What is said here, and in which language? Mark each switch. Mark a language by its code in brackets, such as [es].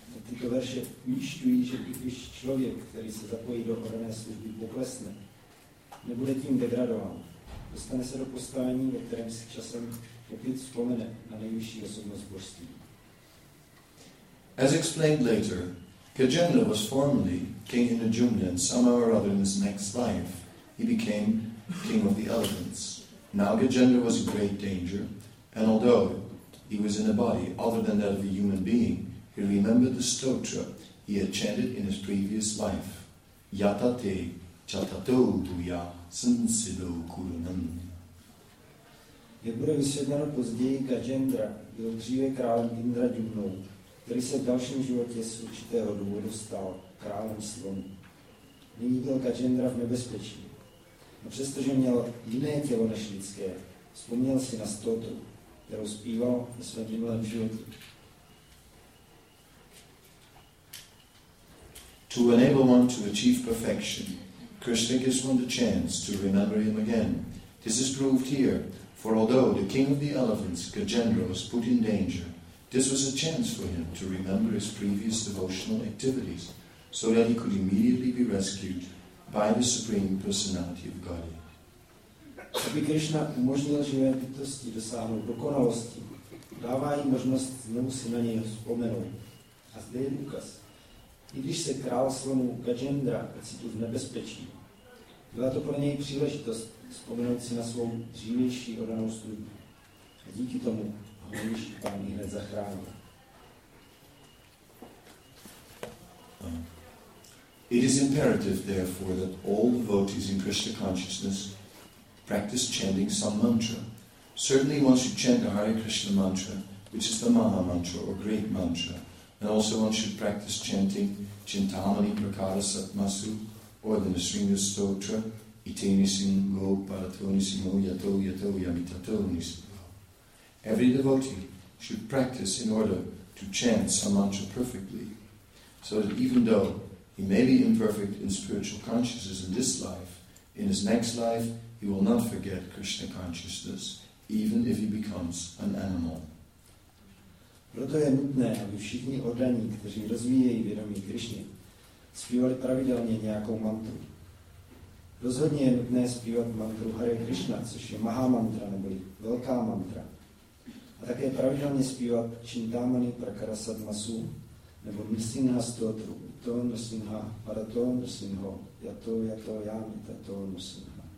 [cs] Tyto verše ujišťují, že i když člověk, který se zapojí do ohrané služby, poklesne, nebude tím degradován. Dostane se do postavení, ve kterém si časem opět vzpomene na nejvyšší osobnost božství. [en] As explained later, Gajendra was formerly king Indrajumna and somehow or other in his next life, he became king of the elephants. Now Gajendra was in great danger, and although he was in a body other than that of a human being, he remembered the stotra he had chanted in his previous life. Yatate chatato duya sansido kurunam. [cs] Jak bude vysvětleno později, Gajendra byl dříve králem Indrajumnou, který se v dalším životě z určitého důvodu stal králem slonů. Nyní byl Gajendra v nebezpečí. A přestože měl jiné tělo než lidské, vzpomněl si na stotru, kterou zpíval ve svém minulém životě. [en] To enable one to achieve perfection, Krishna gives one the chance to remember him again. This is proved here, for although the king of the elephants, Gajendra, was put in danger, this was a chance for him to remember his previous devotional activities, so that he could immediately be rescued by the Supreme Personality of Godhead. [cs] Aby Krishna umožnil živé bytosti dosáhnout dokonalosti, dává jí možnost znovu si na něj vzpomenout. A zde je důkaz. I když se král slonů Gajendra ocitl v nebezpečí, byla to pro něj příležitost vzpomenout si na svou dřívější odanou službu. A díky tomu ho již pán hned zachránil. [en] It is imperative, therefore, that all devotees in Krishna consciousness practice chanting some mantra. Certainly one should chant the Hare Krishna mantra, which is the Maha mantra or great mantra, and also one should practice chanting Chintamani Prakara Satmasu or the Nisringa Stotra Itenisim Go Paratonisimo Yato Yato Yamitatonisimo. Every devotee should practice in order to chant some mantra perfectly, so that even though he may be imperfect in spiritual consciousness in this life, in his next life he will not forget Krishna consciousness, even if he becomes an animal. [cs] Proto je nutné, aby všichni oddaní, kteří rozvíjejí vědomí Krišně, zpívali pravidelně nějakou mantru. Rozhodně je nutné zpívat mantru Hare Krishna, což je Maha mantra, nebo velká mantra. A také pravidelně zpívat Chintamani Prakara Sadmasu, nebo Nrsingha Stotru, Ito Nrsingha, Parato Nrsingho, Yato Yato Yami, Tato Nrsingha.